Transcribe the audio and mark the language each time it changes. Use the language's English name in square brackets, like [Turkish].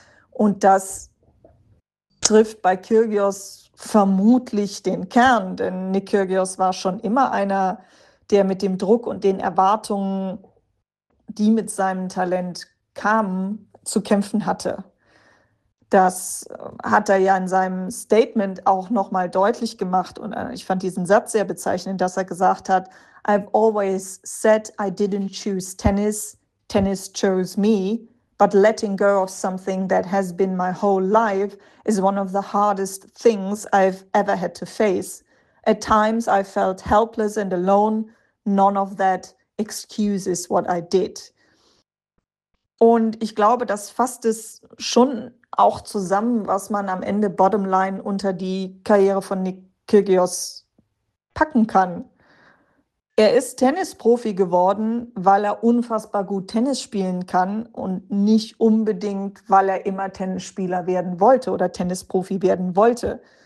[German] Und das trifft bei Kyrgios vermutlich den Kern, denn Nick Kyrgios war schon immer einer, der mit dem Druck und den Erwartungen, die mit seinem Talent kamen, zu kämpfen hatte. Das hat er ja in seinem Statement auch noch mal deutlich gemacht. Und ich fand diesen Satz sehr bezeichnend, dass er gesagt hat: [English] I've always said I didn't choose tennis. Tennis chose me. But letting go of something that has been my whole life is one of the hardest things I've ever had to face. At times I felt helpless and alone. None of that excuses what I did. [German] Und ich glaube, das fasst es schon auch zusammen, was man am Ende bottomline unter die Karriere von Nick Kyrgios packen kann. Er ist Tennisprofi geworden, weil er unfassbar gut Tennis spielen kann und nicht unbedingt, weil er immer Tennisspieler werden wollte oder Tennisprofi werden wollte.